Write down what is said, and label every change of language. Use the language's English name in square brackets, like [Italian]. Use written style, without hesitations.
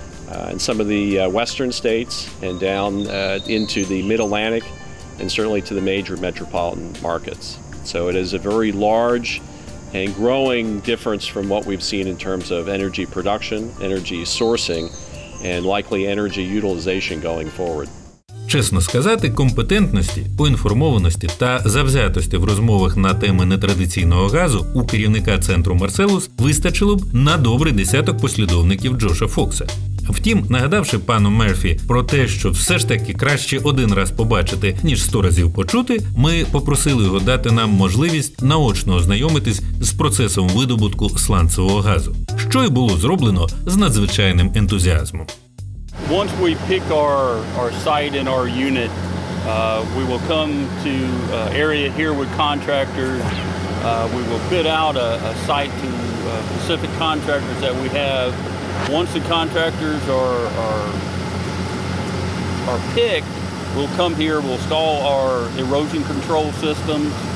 [English] And some of the western states and down into the mid-Atlantic and certainly to the major metropolitan markets. So it is a very large and growing difference from what we've seen in terms of energy production, energy sourcing, and likely energy utilization going forward. [Ukrainian] Чесно сказати, компетентності, поінформованості та завзятості в розмовах на теми нетрадиційного газу у керівника центру Марселус вистачило б на добрий десяток послідовників Джоша Фокса. Втім, нагадавши пану Мерфі про те, що все ж таки краще один раз побачити, ніж 100 разів почути, ми попросили його дати нам можливість наочно ознайомитись з процесом видобутку сланцевого газу, що й було зроблено з надзвичайним ентузіазмом. [English] Once we pick our site and our unit, we will come to area here with contractors. We will bid out a site to specific contractors that we have. Once the contractors are picked, we'll come here, we'll install our erosion control systems.